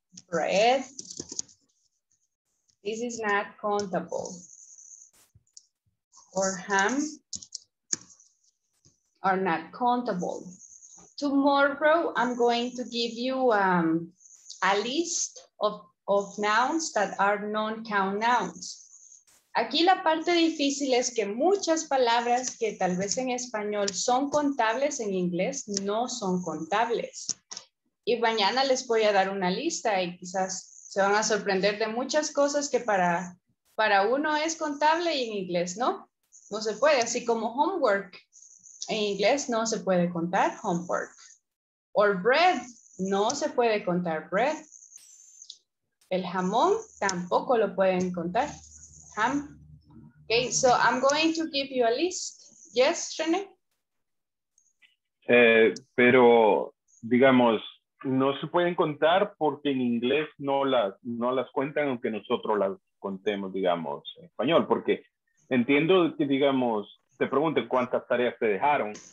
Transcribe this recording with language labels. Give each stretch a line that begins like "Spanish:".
English: Bread. This is not countable. Or ham are not countable. Tomorrow, I'm going to give you a list of nouns that are non-count nouns.
Spanish: Aquí la parte difícil es que muchas palabras que tal vez en español son contables, en inglés no son contables. Y mañana les voy a dar una lista y quizás se van a sorprender de muchas cosas que para uno es contable y en inglés no. No se puede, así como homework. En inglés no se puede contar homework.
English: Or bread,
Spanish: no se puede contar bread. El jamón tampoco lo pueden contar. Ham.
English: Okay, so I'm going to give you a list. Yes, René?
Spanish: Pero, digamos, no se pueden contar porque en inglés no las cuentan, aunque nosotros las contemos, digamos, en español. Porque entiendo que, digamos, te pregunten cuántas tareas te dejaron.